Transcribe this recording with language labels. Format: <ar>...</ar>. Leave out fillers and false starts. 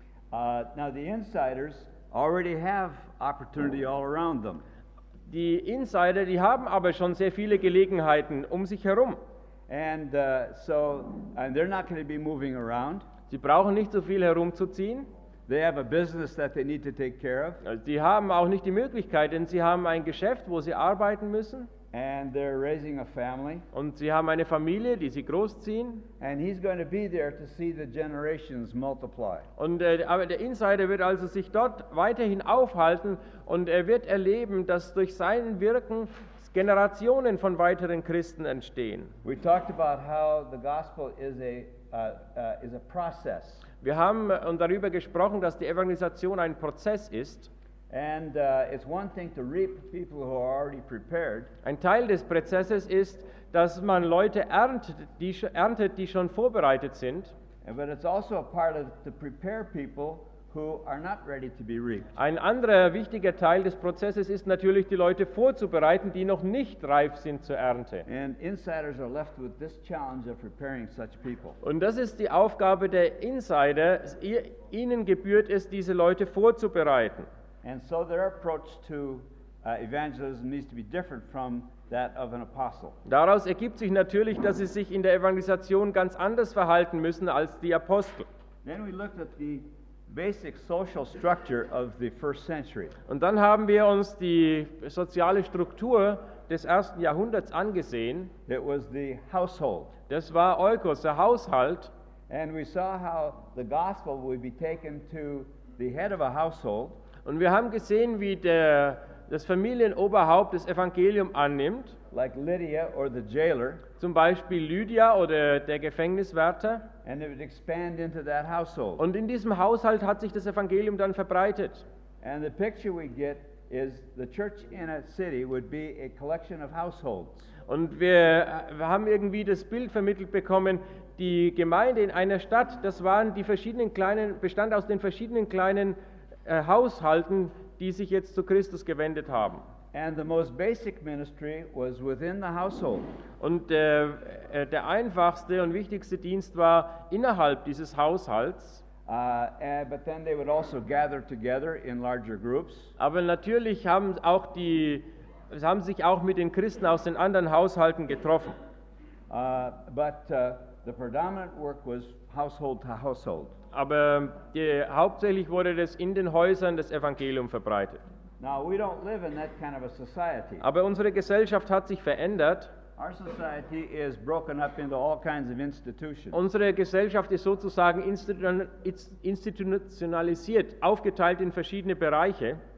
<en>Now the insiders already have opportunity all around them.</en> <de>Die Insider, die haben aber schon sehr viele Gelegenheiten um sich herum.</de> <en>And they're not going to be moving around.</en> <de>Sie brauchen nicht so viel herumzuziehen.</de> <en>They have a business that they need to take care of.</en> <de>Sie haben auch nicht die Möglichkeit, denn sie haben ein Geschäft, wo sie arbeiten müssen.</de> <en>And they're raising a family.</en> <de>Und sie haben eine Familie, die sie großziehen.</de> <en>And he's going to be there to see the generations multiply.</en> <de>Und aber der Insider wird also sich dort weiterhin aufhalten und er wird erleben, dass durch sein Wirken Generationen von weiteren Christen entstehen.</de> <en>We talked about how the gospel is a process.</en> <de>Wir haben darüber gesprochen, dass die Evangelisation ein Prozess ist.</de> <en>And it's one thing to reap people who are already prepared.</en> <de>Ein Teil des Prozesses ist, dass man Leute erntet, die schon vorbereitet sind.</de> <en>But it's also a part of to prepare people who are not ready to be reaped.</en> <de>Ein anderer wichtiger Teil des Prozesses ist natürlich, die Leute vorzubereiten, die noch nicht reif sind zur Ernte.</de> <en>And insiders are left with this challenge of preparing such people.</en> <de>Und das ist die Aufgabe der Insider, ihnen gebührt es, diese Leute vorzubereiten.</de> <en>And so their approach to evangelism needs to be different from that of an apostle.</en> <de>Daraus ergibt sich natürlich, dass sie sich in der Evangelisation ganz anders verhalten müssen als die Apostel.</de> <en>Then we looked at the basic social structure of the first century.</en> <de>Und dann haben wir uns die soziale Struktur des ersten Jahrhunderts angesehen.</de> <en>It was the household.</en> <de>Das war Oikos, der Haushalt.</de> <en>And we saw how the gospel would be taken to the head of a household.</en> <de>Und wir haben gesehen, wie das Familienoberhaupt das Evangelium annimmt.</de> <en>Like Lydia or the jailer.</en> <de>Zum Beispiel Lydia oder der Gefängniswärter.</de> <en>And it would expand into that household.</en> <de>Und in diesem Haushalt hat sich das Evangelium dann verbreitet.</de> <en>And the picture we get is the church in a city would be a collection of households.</en> <de>Und wir haben irgendwie das Bild vermittelt bekommen, die Gemeinde in einer Stadt, das waren die verschiedenen kleinen, bestand aus den verschiedenen kleinen Haushalten, die sich jetzt zu Christus gewendet haben.</de> <en>And the most basic ministry was within the household.</en> <de>Und der einfachste und wichtigste Dienst war innerhalb dieses Haushalts.</de> <en>But then they would also gather together in larger groups.</en> <de>Aber natürlich haben sich auch mit den Christen aus den anderen Haushalten getroffen.</de> <en>But the predominant work was household to household.</en> <de>Aber hauptsächlich wurde das in den Häusern das Evangelium verbreitet.</de> <en>Now we don't live in that kind of a society.</en> <de>Aber unsere Gesellschaft hat sich verändert.</de> <en>Our society is broken up into all kinds of institutions.</en> <de>Unsere Gesellschaft ist sozusagen institutionalisiert, aufgeteilt in verschiedene Bereiche.</de>